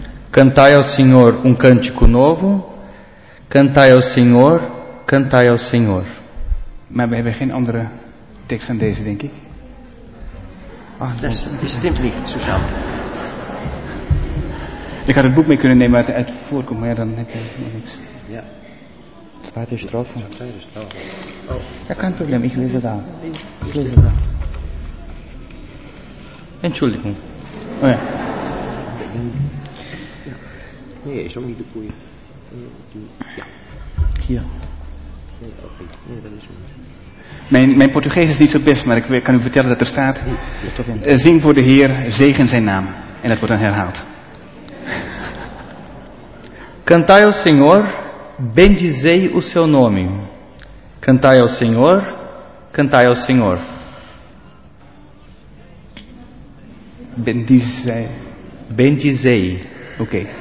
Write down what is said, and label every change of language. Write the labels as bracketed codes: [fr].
[pt] Cantai ao Senhor um cântico novo. Cantai ao Senhor, cantai ao Senhor. [nl] Maar we hebben geen andere tekst dan deze, denk ik. Ah, dat is bestimmt niet, Susan. Ik had het boek mee kunnen nemen uit het voorkomen, maar ja, dan heb je nog niks. Ja. Staat hier strofen. [de] Ja, kein Problem, ich lese da. Ich lese da. Entschuldigung. Oh ja. Nee, ist auch nicht der Fuß. Hier. [nl] Mijn Portugees is niet zo best, maar ik kan u vertellen dat er staat: Zing voor de Heer, zegen zijn naam. En dat wordt dan herhaald. [pt] Cantai ao Senhor, bendizei o seu nome. Cantai ao Senhor, cantai ao Senhor. Bendizei. Bendizei. Ok.